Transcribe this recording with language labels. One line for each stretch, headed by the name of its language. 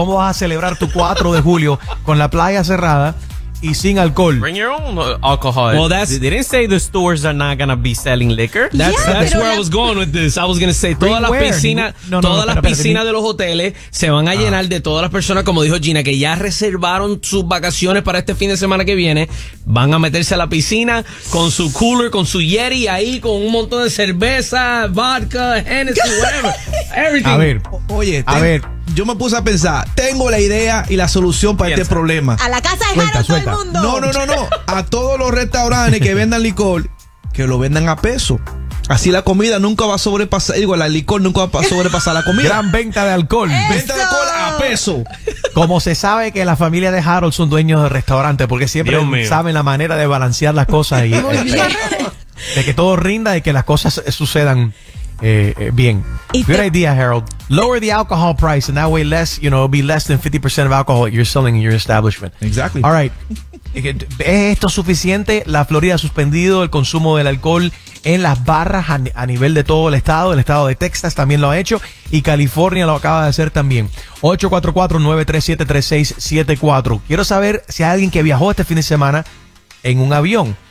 Spanish: ¿Cómo vas a celebrar tu 4 de julio con la playa cerrada y sin alcohol?
English: Bring your own alcohol. Well, that's, they didn't say the stores are not going to be selling liquor. That's where I was going with this. I was going to say,
Spanish: todas las piscinas de los hoteles se van a llenar de todas las personas, como dijo Gina, que ya reservaron sus vacaciones para este fin de semana que viene. Van a meterse a la piscina con su cooler, con su Yeti, ahí con un montón de cerveza, vodka, Hennessy,
English: whatever. Everything.
Spanish: A ver, oye, a ver. yo me puse a pensar, tengo la idea y la solución para este problema. A la casa de Jaro todo el mundo. No. A todos los restaurantes que vendan licor, que lo vendan a peso. Así la comida nunca va a sobrepasar, digo, el licor nunca va a sobrepasar la comida. Gran venta de alcohol. Eso. Venta de alcohol a peso. Como se sabe que la familia de Harold son dueños de restaurante, porque siempre saben la manera de balancear las cosas y de que todo rinda y que las cosas sucedan bien.
English: Good idea, Harold. Lower the alcohol price and that way less, you know, it'll be less than 50% of alcohol that you're selling in your establishment. Exactly. All right.
Spanish: ¿Es esto suficiente? La Florida ha suspendido el consumo del alcohol en las barras a nivel de todo el estado de Texas también lo ha hecho y California lo acaba de hacer también. 844-937-3674. Quiero saber si hay alguien que viajó este fin de semana en un avión.